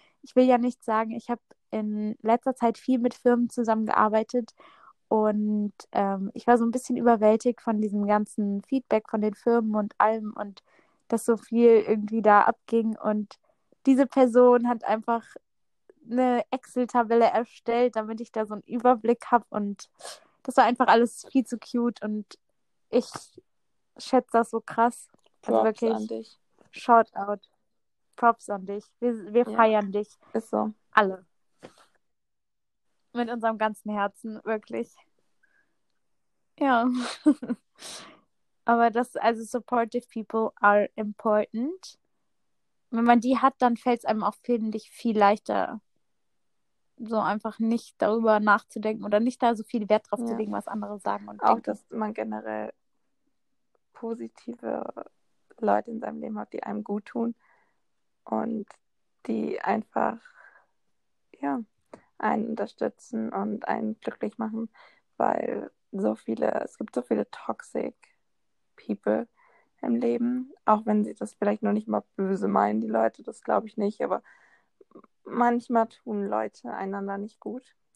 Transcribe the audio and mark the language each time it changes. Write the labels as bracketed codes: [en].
[de] Ich will ja nichts sagen, ich habe in letzter Zeit viel mit Firmen zusammengearbeitet und ich war so ein bisschen überwältigt von diesem ganzen Feedback von den Firmen und allem und dass so viel irgendwie da abging und diese Person hat einfach eine Excel-Tabelle erstellt, damit ich da so einen Überblick habe und das war einfach alles viel zu cute und ich schätze das so krass. Also Props an wirklich, dich. Shoutout. Props an dich. Wir Ja, feiern dich. ist so. Alle. Mit unserem ganzen Herzen, wirklich. Ja. Aber das, also [en] supportive people are important. [de] Wenn man die hat, dann fällt es einem auch finde ich viel leichter, so einfach nicht darüber nachzudenken oder nicht da so viel Wert drauf zu Ja. legen, was andere sagen und Auch, denken. dass man generell positive Leute in seinem Leben hat, die einem gut tun und die einfach ja, einen unterstützen und einen glücklich machen, weil es gibt so viele toxic people im Leben, auch wenn sie das vielleicht noch nicht mal böse meinen, die Leute, das glaube ich nicht, aber manchmal tun Leute einander nicht gut.